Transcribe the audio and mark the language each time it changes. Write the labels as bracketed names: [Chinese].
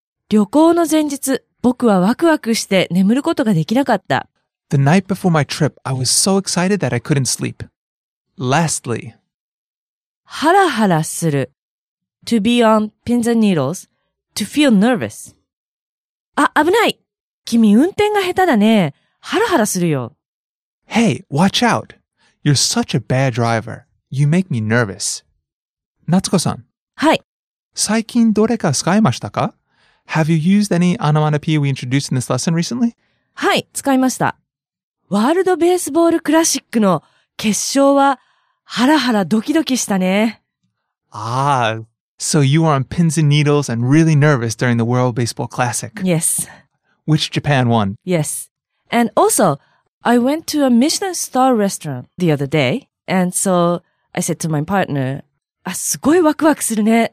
[Japanese] 旅行の前日、僕はワクワクして眠ることができなかった。 [English] The night before my trip, I was so excited that I couldn't sleep. Lastly, [Japanese] ハラハラする [English] To be on pins and needles To feel nervous [Japanese] あ、危ない君運転が下手だねハラハラするよ [English] Hey, watch out You're such a bad driver You make me nervous Natsuko-san [Japanese] はい最近どれか使いましたか [English] Have you used any onomatopoeia we introduced in this lesson recently? [Japanese] はい、使いましたワールドベースボールクラシックの決勝はハラハラドキドキしたね。 [English] Ah, so you are on pins and needles and really nervous during the World Baseball Classic. Yes. Which Japan won? Yes. And also, I went to a Michelin star restaurant the other day. And so I said to my partner, [Japanese] すごいワクワクするね。